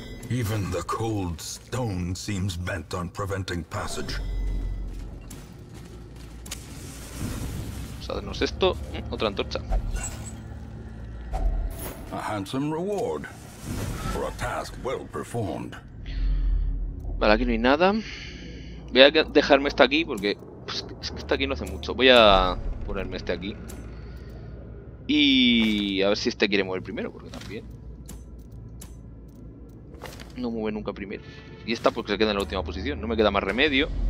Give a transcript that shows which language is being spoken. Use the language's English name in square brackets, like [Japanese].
[English] Even the cold stone seems bent on preventing passage. [Spanish] Vamos a darnos esto, otra antorcha. [English] A handsome reward for a task well performed. [Spanish] Vale, aquí no hay nada. Voy a dejarme esta aquí porque pues, es que esta aquí no hace mucho. Voy a ponerme este aquí y a ver si este quiere mover primero, porque también. No mueve nunca primero. Y esta porque se queda en la última posición. No me queda más remedio.